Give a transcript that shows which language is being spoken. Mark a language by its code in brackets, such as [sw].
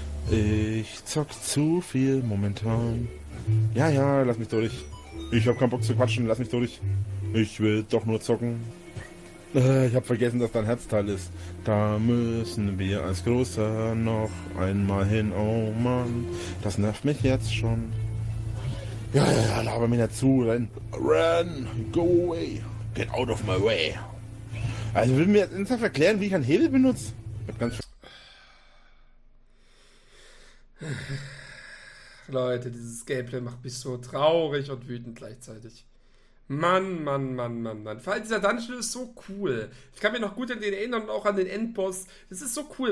[de] Ich zock zu viel momentan. Ja, lass mich durch. Ich hab keinen Bock zu quatschen, lass mich durch. Ich will doch nur zocken. Ich hab vergessen, dass dein Herzteil ist. Da müssen wir als Großer noch einmal hin. Oh Mann, das nervt mich jetzt schon. Ja, laber mir dazu, renn. [en] Run, go away, get out of my way. [de] Also, will mir jetzt ernsthaft erklären, wie ich einen Hebel benutze? Ich hab ganz... Leute, dieses Gameplay macht mich so traurig und wütend gleichzeitig. Mann. Vor allem dieser Dungeon ist so cool. Ich kann mich noch gut an den erinnern und auch an den Endboss. Das ist so cool.